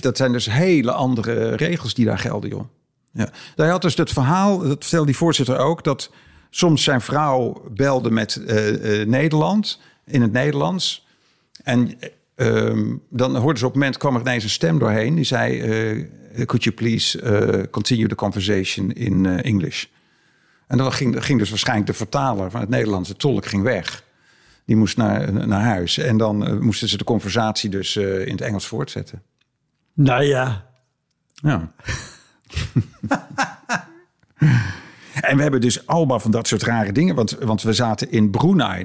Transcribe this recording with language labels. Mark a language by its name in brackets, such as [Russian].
[Dutch] Dat zijn dus hele andere regels die daar gelden, joh. Ja. Daar had dus het verhaal, dat vertelde die voorzitter ook... dat soms zijn vrouw belde met Nederland, in het Nederlands. En dan hoorde ze op het moment, kwam er ineens een stem doorheen. Die zei, [English] could you please continue the conversation in English? [Dutch] En dan ging dus waarschijnlijk de vertaler van het Nederlands, de tolk, ging weg. Die moest naar huis. En dan moesten ze de conversatie dus in het Engels voortzetten. Nou ja. Ja. En we hebben dus allemaal van dat soort rare dingen. Want we zaten in Brunei.